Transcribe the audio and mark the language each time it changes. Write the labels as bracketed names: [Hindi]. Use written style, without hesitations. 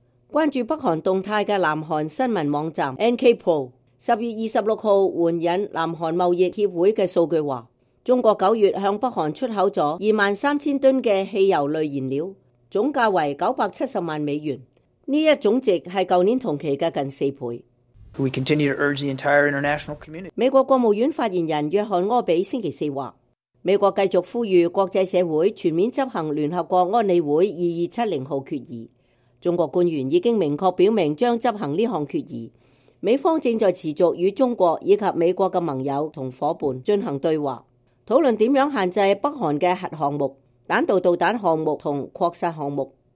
[Chinese] 关注北韩动态的南韩新闻网站 NKPRO 10月26日援引南韩贸易协会的数据说，中国九月向北韩出口了23000吨的汽油类燃料，总价为970万美元，这一总值是去年同期的近四倍。 [English] We continue to urge the entire international community. [Chinese] 美国国务院发言人约翰·柯比星期四说，美国继续呼吁国际社会全面执行联合国安理会2270号决议。中国官员已经明确表明将执行这项决议。美方正在持续与中国以及美国的盟友和伙伴进行对话，讨论如何限制北韩的核项目、弹道导弹项目和扩散项目。